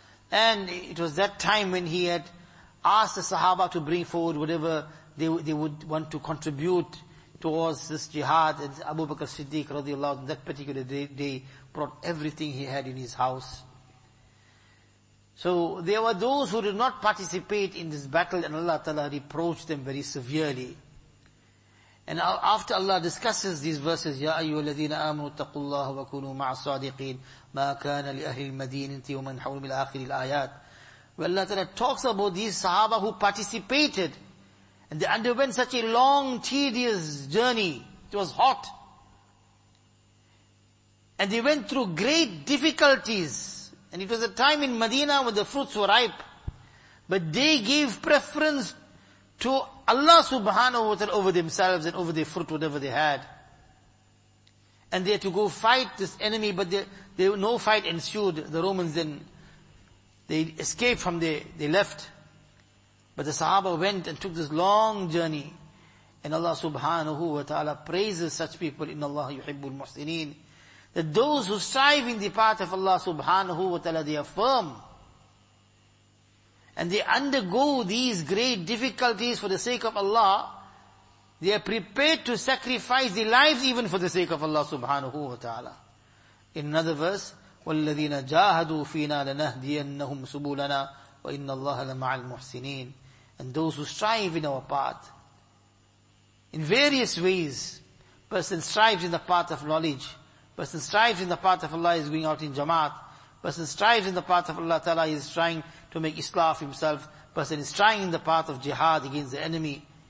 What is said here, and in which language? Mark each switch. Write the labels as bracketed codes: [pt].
[en] And it was that time when he had asked the Sahaba to bring forward whatever they would want to contribute towards this jihad. And Abu Bakr Siddiq radiallahu anhu, on that particular day, brought everything he had in his house. So there were those who did not participate in this battle, and Allah Ta'ala reproached them very severely. And after Allah discusses these verses, [ar] يَا أَيُّهَا الَّذِينَ آمُنُوا اتَّقُوا اللَّهَ وَكُونُوا مَعَ الصَّادِقِينَ مَا كَانَ لِأَهْلِ الْمَدِينِ انْتِي وَمَنْ حَوْلُ مِلْآخِرِ الْآيَاتِ. [en] Well, Allah Ta'ala talks about these Sahaba who participated, And they underwent such a long, tedious journey. It was hot. And they went through great difficulties. And it was a time in Medina when the fruits were ripe. But they gave preference to Allah subhanahu wa ta'ala over themselves and over their fruit, whatever they had. And they had to go fight this enemy, but there no fight ensued. The Romans then, they escaped from there, they left. But the Sahaba went and took this long journey. And Allah subhanahu wa ta'ala praises such people, [ar] إِنَّ اللَّهَ يُحِبُّ الْمُحْسِنِينَ. [en] That those who strive in the path of Allah subhanahu wa ta'ala, they are firm. And they undergo these great difficulties for the sake of Allah. They are prepared to sacrifice their lives even for the sake of Allah subhanahu wa ta'ala. In another verse, [ar] وَالَّذِينَ جَاهَدُوا فِينَا لَنَهْدِيَنَّهُمْ سُبُولَنَا وَإِنَّ اللَّهَ لَمَعَ الْمُحْسِنِينَ. [en] And those who strive in our path, in various ways, person strives in the path of knowledge, person strives in the path of Allah is going out in jamaat, person strives in the path of Allah ta'ala is trying to make islah of himself, person is trying in the path of jihad against the enemy.